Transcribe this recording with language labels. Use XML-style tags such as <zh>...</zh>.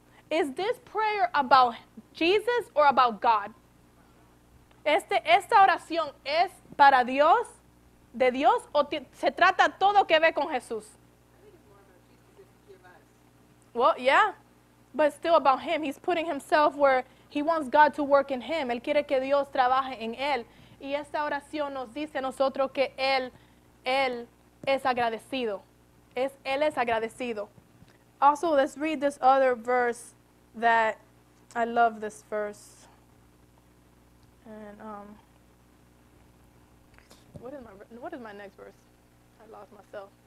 <en>Is this prayer about Jesus or about God?</en> <es>Esta oración es para Dios, de Dios, o se trata todo que ve con Jesús?</es> <en>Well, yeah, but still about him. He's putting himself where he wants God to work in him.</en> <es>Él quiere que Dios trabaje en él. Y esta oración nos dice nosotros que él es agradecido. Él es agradecido.</es> <en>Also, let's read this other verse that I love this verse. And what is my next verse? I lost myself.</en>